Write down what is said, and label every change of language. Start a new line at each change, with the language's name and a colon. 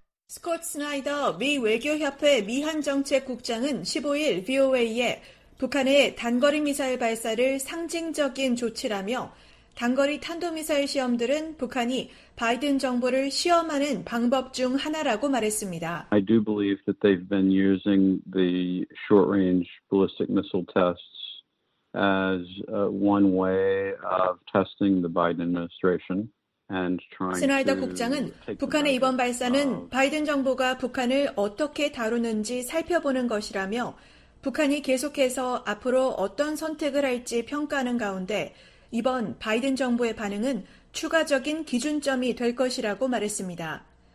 Korean: 스콧 스나이더 미 외교협회 미한정책국장은 15일 VOA에 북한의 단거리 미사일 발사를 상징적인 조치라며 단거리 탄도미사일 시험들은 북한이 바이든 정부를 시험하는 방법 중 하나라고 말했습니다.
English: I do believe that they've been using the short-range ballistic missile tests as one way of testing the Biden administration.
Korean: 스나이더 국장은 북한의 이번 발사는 바이든 정부가 북한을 어떻게 다루는지 살펴보는 것이라며 북한이 계속해서 앞으로 어떤 선택을 할지 평가하는 가운데 이번 바이든 정부의 반응은 추가적인 기준점이 될 것이라고 말했습니다.